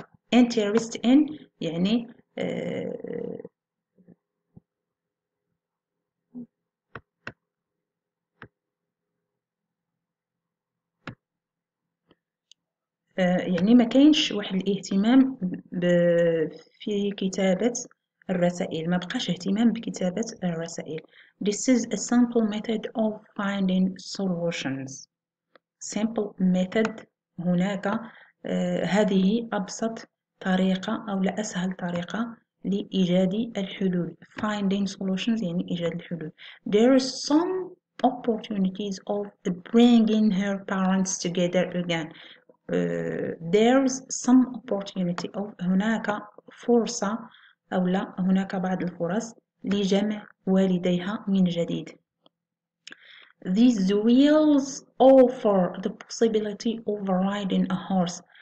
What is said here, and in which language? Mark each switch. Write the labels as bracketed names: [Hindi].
[English] Interest in [Arabic] يعني يعني ما كاينش واحد الاهتمام في كتابة الرسائل، ما بقاش اهتمام بكتابة الرسائل. [English] This is a simple method of finding solutions. Simple method [Arabic] هناك هذه أبسط طريقة أو لأسهل طريقة لإيجاد الحلول. [English] Finding solutions [Arabic] يعني إيجاد الحلول. [English] There is some opportunities of bringing her parents together again. There's some opportunity of [Arabic] هناك فرصة أو لا هناك بعض الفرص لجمع والديها من جديد. [English] These wheels offer the possibility of riding a horse.